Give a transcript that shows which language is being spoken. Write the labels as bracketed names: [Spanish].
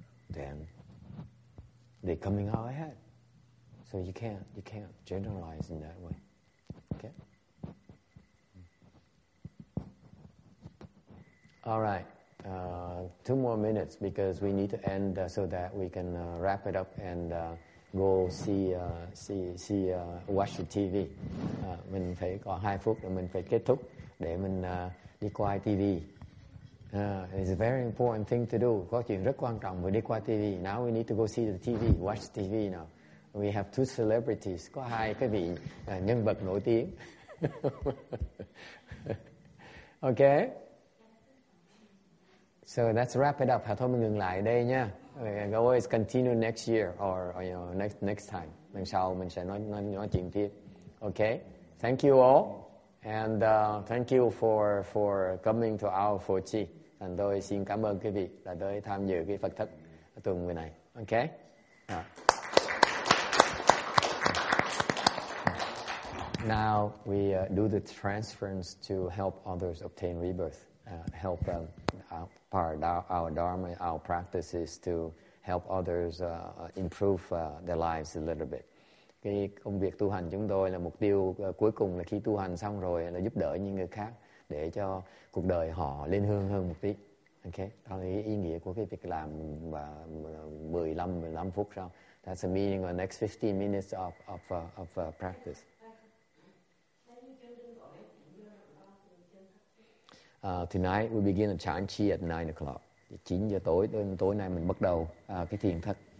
[English] Then they're coming out ahead. So you can't generalize in that way. Okay? All right. Two more minutes because we need to end so that we can wrap it up and go see watch the TV. [Vietnamese] Mình phải có 2 phút rồi mình phải kết thúc để mình đi qua TV. [English] It's a very important thing to do. [Vietnamese] Có chuyện rất quan trọng với đi qua TV. [English] Now we need to go see the TV, watch the TV now. We have 2 celebrities. [Vietnamese] Có 2 cái vị nhân vật nổi tiếng. [English] Okay? So let's wrap it up. [Vietnamese] Thôi mình ngừng lại đây nha. [English] Always continue next year or you know, next time. [Vietnamese] Lần sau mình sẽ nói chuyện tiếp. Okay? [English] Thank you all. And thank you for coming to our Phổ Chi. [Vietnamese] And tôi xin cảm ơn quý vị đã tới tham dự cái Phật thất tuần vừa này. [English] Okay? Now we do the transference to help others obtain rebirth. Help our dharma, our practices to help others improve their lives a little bit. [Vietnamese] Cái công việc tu hành chúng tôi là mục tiêu cuối cùng là khi tu hành xong rồi là giúp đỡ những người khác để cho cuộc đời họ lên hương hơn một tí. Okay, đó là ý nghĩa của cái việc làm và 15 phút sau. [English] That's the meaning of the next 15 minutes of practice. Tonight we begin the chan chi at 9 o'clock. [Vietnamese] 9 giờ tối tối nay mình bắt đầu cái thiền thất.